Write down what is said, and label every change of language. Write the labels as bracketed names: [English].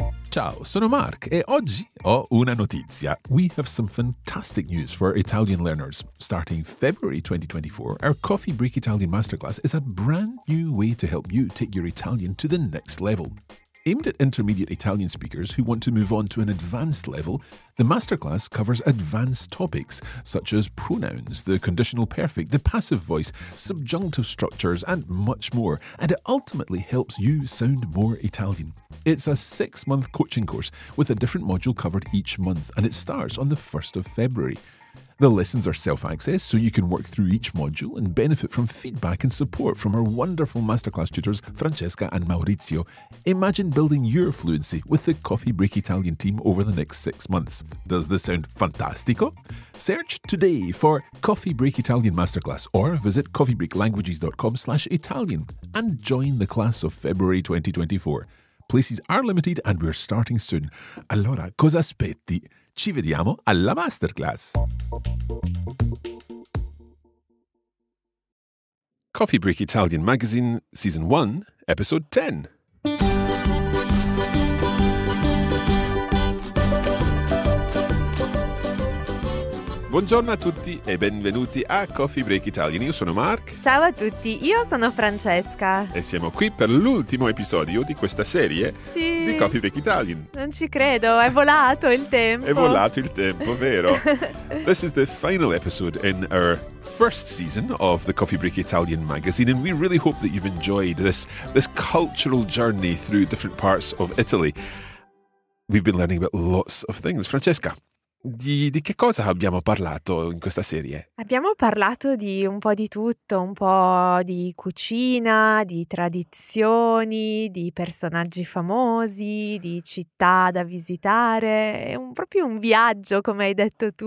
[Italian] Ciao, sono Mark e oggi ho una notizia. [English] We have some fantastic news for Italian learners. Starting February 2024, our Coffee Break Italian Masterclass is a brand new way to help you take your Italian to the next level. Aimed at intermediate Italian speakers who want to move on to an advanced level, the masterclass covers advanced topics such as pronouns, the conditional perfect, the passive voice, subjunctive structures, and much more, and it ultimately helps you sound more Italian. It's a six-month coaching course with a different module covered each month, and it starts on the 1st of February. The lessons are self-access, so you can work through each module and benefit from feedback and support from our wonderful masterclass tutors, Francesca and Maurizio. Imagine building your fluency with the Coffee Break Italian team over the next 6 months. Does this sound fantastico? Search today for Coffee Break Italian Masterclass or visit coffeebreaklanguages.com/Italian and join the class of February 2024. Places are limited and we're starting soon. [Italian] Allora, cosa aspetti? Ci vediamo alla masterclass. [English] Coffee Break Italian Magazine, Season 1, Episode 10. [Italian] Buongiorno a tutti e benvenuti a Coffee Break Italian. Io sono Mark. Ciao a tutti, io sono Francesca. E siamo qui per l'ultimo episodio di questa serie di Coffee Break Italian. Non ci credo, è volato il tempo. È volato il tempo, vero? [English] This is the final episode in our first season of the Coffee Break Italian magazine, and we really hope that you've enjoyed this cultural journey through different parts of Italy. We've been learning about lots of things. [Italian] Francesca, Di che cosa abbiamo parlato in questa serie? Abbiamo parlato di un po' di tutto, un po' di cucina, di tradizioni, di personaggi famosi, di città da visitare. È proprio un viaggio, come hai detto tu.